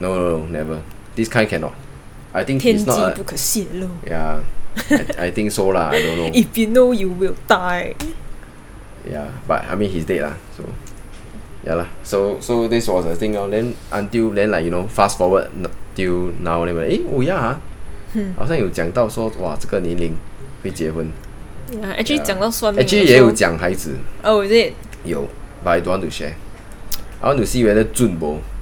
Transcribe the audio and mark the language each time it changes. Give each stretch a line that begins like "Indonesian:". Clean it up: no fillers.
English: No, never. This kind cannot. I think it's not.
Chinese: 天机不可泄露.
English: Yeah, I think so lah. I don't know. If you know, you will die. Yeah, but I mean he's dead lah. So yeah lah. So this was the thing. Then until then, like you know, fast forward till now. Then like, oh yeah.
Chinese: 好像有讲到说, 哇, 这个年龄, 会结婚。
English: Yeah, actually
Chinese: 讲到算命的时候, actually 也有讲孩子。
English: Oh, is it? 有, but I don't want to share. I want to see whether
Chinese: 准不?